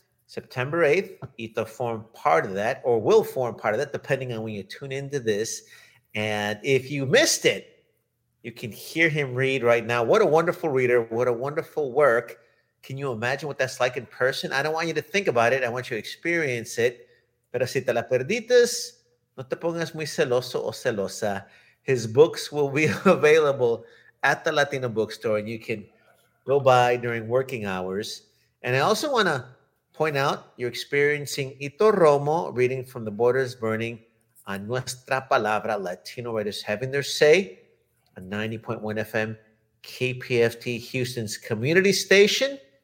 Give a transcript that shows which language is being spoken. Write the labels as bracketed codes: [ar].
[en] September 8th, Ito formed part of that, or will form part of that, depending on when you tune into this. And if you missed it, you can hear him read right now. What a wonderful reader. What a wonderful work. Can you imagine what that's like in person? I don't want you to think about it. I want you to experience it. [es] Pero si te la perdites, no te pongas muy celoso o celosa. [en] His books will be available at the Latino Bookstore, and you can go by during working hours. And I also want to point out you're experiencing Ito Romo reading from The Border is Burning on Nuestra Palabra, Latino Writers Having Their Say, a 90.1 FM KPFT Houston's community station.